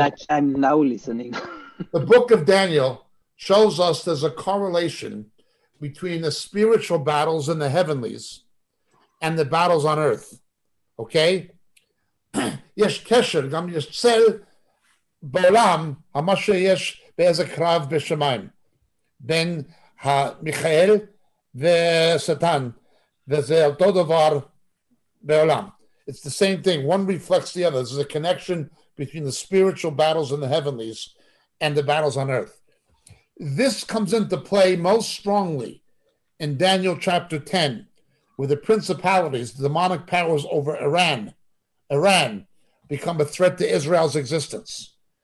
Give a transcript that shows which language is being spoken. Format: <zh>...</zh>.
<en>I'm now listening. The book of Daniel shows us there's a correlation between the spiritual battles in the heavenlies and the battles on earth. Okay?</en> <he>יש קשר גם יש צל בעולם מה שיש באיזה קרב בשמיים בין המיכאל ושטן, וזה אותו דבר בעולם.</he> <en>It's the same thing. One reflects the other. There's a connection between the spiritual battles in the heavenlies and the battles on earth. This comes into play most strongly in Daniel chapter 10, where the principalities, the demonic powers over Iran, become a threat to Israel's existence.</en>